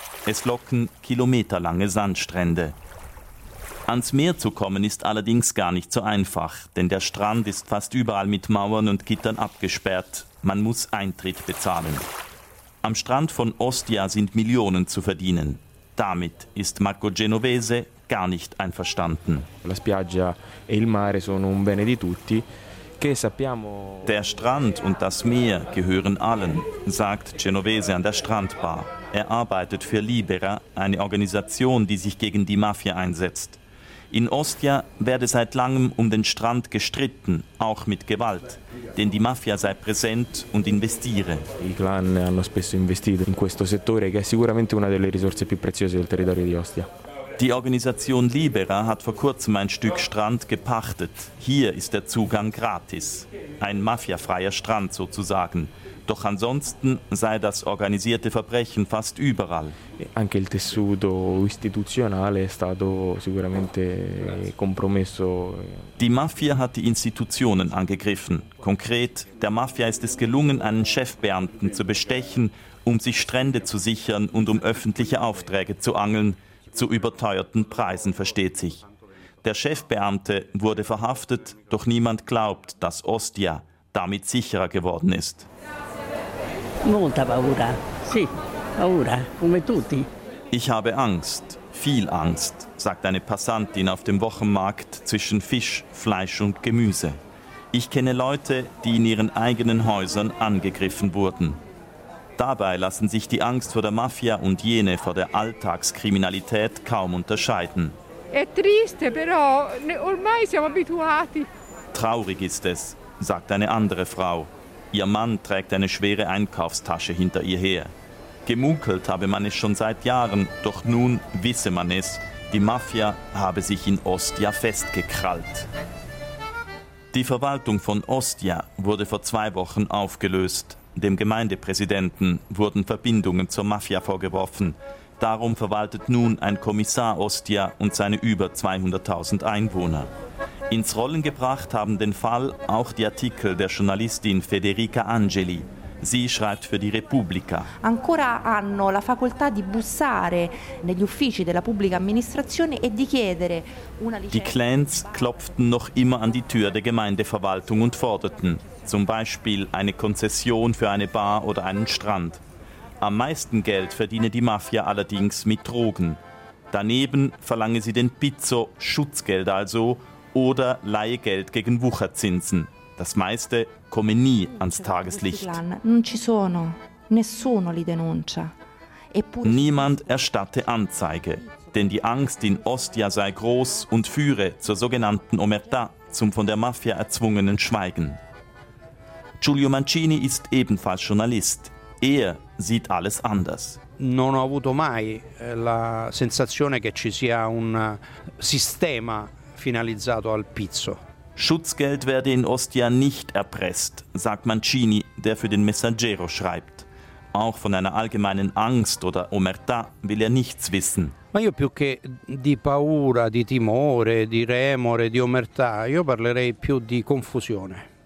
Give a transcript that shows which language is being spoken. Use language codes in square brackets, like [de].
[de] Es locken kilometerlange Sandstrände. Ans Meer zu kommen ist allerdings gar nicht so einfach, denn der Strand ist fast überall mit Mauern und Gittern abgesperrt. Man muss Eintritt bezahlen. Am Strand von Ostia sind Millionen zu verdienen. Damit ist Marco Genovese gar nicht einverstanden. [it] La spiaggia e il mare sono un bene di tutti. [de] Der Strand und das Meer gehören allen, sagt Genovese an der Strandbar. Er arbeitet für Libera, eine Organisation, die sich gegen die Mafia einsetzt. In Ostia werde seit langem um den Strand gestritten, auch mit Gewalt. Denn die Mafia sei präsent und investiere. [it] I clan hanno spesso investito in questo settore, che è sicuramente una delle risorse più preziose del territorio di Ostia. [de] Die Organisation Libera hat vor kurzem ein Stück Strand gepachtet. Hier ist der Zugang gratis. Ein mafiafreier Strand sozusagen. Doch ansonsten sei das organisierte Verbrechen fast überall. [it] Anche il tessuto istituzionale è stato sicuramente compromesso. [de] Die Mafia hat die Institutionen angegriffen. Konkret, der Mafia ist es gelungen, einen Chefbeamten zu bestechen, um sich Strände zu sichern und um öffentliche Aufträge zu angeln. Zu überteuerten Preisen, versteht sich. Der Chefbeamte wurde verhaftet, doch niemand glaubt, dass Ostia damit sicherer geworden ist. [it] Molta paura. Sì, paura, come tutti. [de] Ich habe Angst, viel Angst, sagt eine Passantin auf dem Wochenmarkt zwischen Fisch, Fleisch und Gemüse. Ich kenne Leute, die in ihren eigenen Häusern angegriffen wurden. Dabei lassen sich die Angst vor der Mafia und jene vor der Alltagskriminalität kaum unterscheiden. [it] È triste, però ormai siamo abituati. [de] Traurig ist es, sagt eine andere Frau. Ihr Mann trägt eine schwere Einkaufstasche hinter ihr her. Gemunkelt habe man es schon seit Jahren, doch nun wisse man es. Die Mafia habe sich in Ostia festgekrallt. Die Verwaltung von Ostia wurde vor 2 Wochen aufgelöst. Dem Gemeindepräsidenten wurden Verbindungen zur Mafia vorgeworfen. Darum verwaltet nun ein Kommissar Ostia und seine über 200.000 Einwohner. Ins Rollen gebracht haben den Fall auch die Artikel der Journalistin Federica Angeli. Sie schreibt für die Repubblica. [it] Ancora hanno la facoltà di bussare negli uffici della pubblica amministrazione e di chiedere una licenza. [de] Die Clans klopften noch immer an die Tür der Gemeindeverwaltung und forderten. Zum Beispiel eine Konzession für eine Bar oder einen Strand. Am meisten Geld verdiene die Mafia allerdings mit Drogen. Daneben verlange sie den Pizzo, Schutzgeld also, oder leihe Geld gegen Wucherzinsen. Das meiste komme nie ans Tageslicht. [it] Non ci sono, nessuno li denuncia. [de] Niemand erstatte Anzeige, denn die Angst in Ostia sei groß und führe zur sogenannten Omerta, zum von der Mafia erzwungenen Schweigen. Giulio Mancini ist ebenfalls Journalist. Er sieht alles anders. [it] Non ho avuto mai la sensazione che ci sia un sistema finalizzato al pizzo. [de] Schutzgeld werde in Ostia nicht erpresst, sagt Mancini, der für den Messaggero schreibt. Auch von einer allgemeinen Angst oder Omertà will er nichts wissen. [it] Ma io più che di paura, di timore, di remore, di Omertà, io parlerei più di confusione.